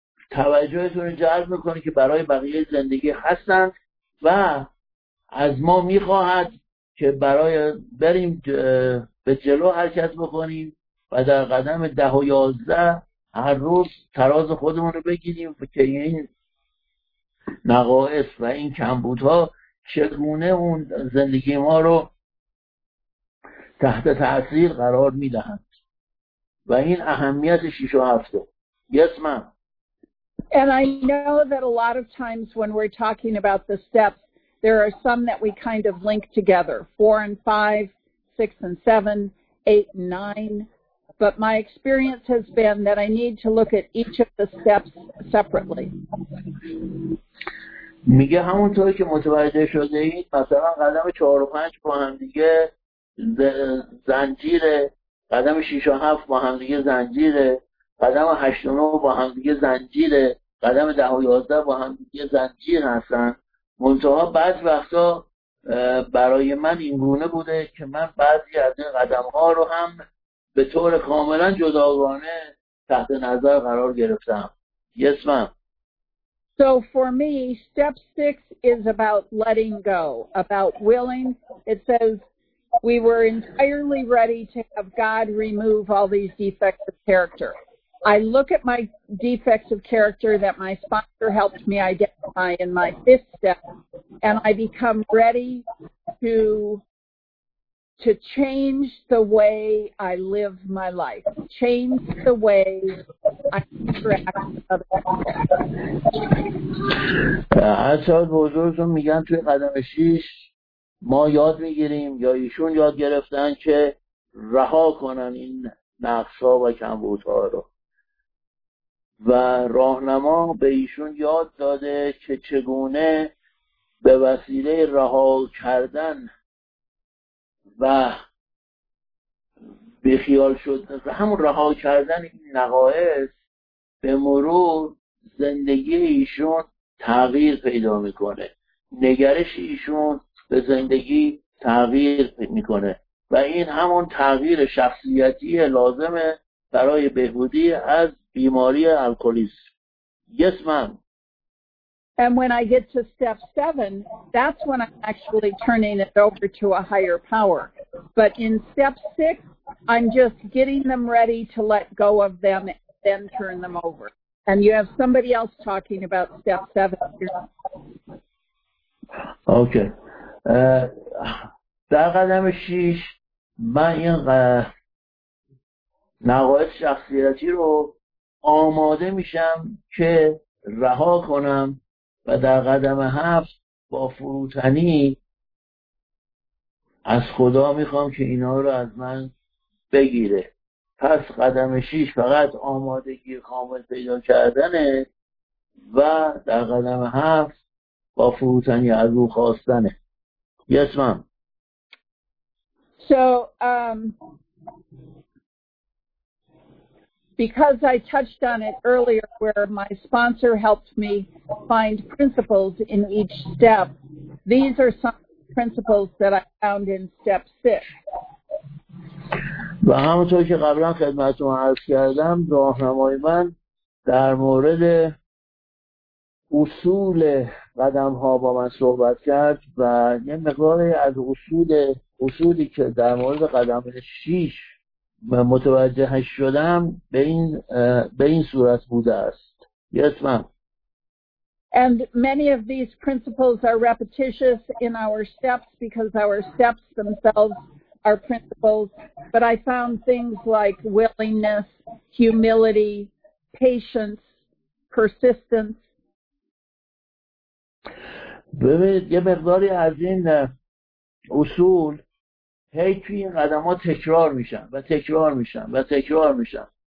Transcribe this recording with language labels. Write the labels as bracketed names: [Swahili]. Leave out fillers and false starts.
[Persian] توجهتون رو جلب میکنه که برای بقیه زندگی هستن و از ما میخواهد که برای بریم به جلو حرکت بکنیم و در قدم 10 و 11 هر روز تراز خودمون رو بگیریم که این نقایص و این کمبودها چگونه اون زندگی ما رو تحت تأثیر قرار میدهند و این اهمیت 6 و 7. [English] Yes, ma'am. And I know that a lot of times when we're talking about the steps, there are some that we kind of link together. 4 and 5, 6 and 7, 8 and 9. But my experience has been that I need to look at each of the steps separately. [Persian] میگه همونطور که متوجه شده اید مثلا قدم 4 و 5 با هم دیگه زنجیره، قدم 6 و 7 با هم دیگه زنجیره، قدم 8 و 9 با هم دیگه زنجیره، قدم 10 و 11 با هم دیگه زنجیر هستن. منتها بعضی وقتا برای من این گونه بوده که من بعضی از این قدم‌ها رو هم به طور کاملا جداگانه تحت نظر قرار گرفتم. [English] Yes, ma'am. So for me, step 6 is about letting go, about willing. It says we were entirely ready to have God remove all these defects of character. I look at my defects of character that my sponsor helped me identify in my 5th step, and I become ready to change the way I live my life, change the way I interact with other people. [Persian] اصلا بزرگتون میگن توی قدم 6 ما یاد میگیریم یا ایشون یاد گرفتن که رها کنن این نقصا و کمبودها رو و راهنما به ایشون یاد داده که چگونه به وسیله رها کردن و بیخیال شدن و همون رها کردن این نقایص به مرور زندگی ایشون تغییر پیدا میکنه، نگرش ایشون به زندگی تغییر میکنه و این همون تغییر شخصیتی لازمه برای بهبودی از بیماری الکلیسم. [English] Yes, ma'am. And when I get to step 7, that's when I'm actually turning it over to a higher power. But in step 6, I'm just getting them ready to let go of them and then turn them over. And you have somebody else talking about step 7. Okay. [Persian] در قدم 6 من این نقایص شخصیتی رو آماده میشم که رها کنم و در قدم 7 با فروتنی از خدا میخوام که اینا رو از من بگیره. پس قدم شیش فقط آمادگی کامل پیدا کردنه و در قدم هفت با فروتنی از او خواستنه. [English] Yes, ma'am. So, because I touched on it earlier where my sponsor helped me find principles in each step, these are some principles that I found in step six. [Persian] و همونطور که قبلا خدمتتون عرض کردم، راهنمای من در مورد اصول قدم ها با من صحبت کرد و یه مقداری از اصولی که در مورد قدم شیش متوجه شدم به این صورت بوده است. [English] Yes, ma'am. And many of these principles are repetitious in our steps because our steps themselves are principles, but I found things like willingness, humility, patience, persistence. [Persian] ببینید یه مقداری از این اصول هی توی این قدم ها تکرار میشن و تکرار میشن و تکرار میشن.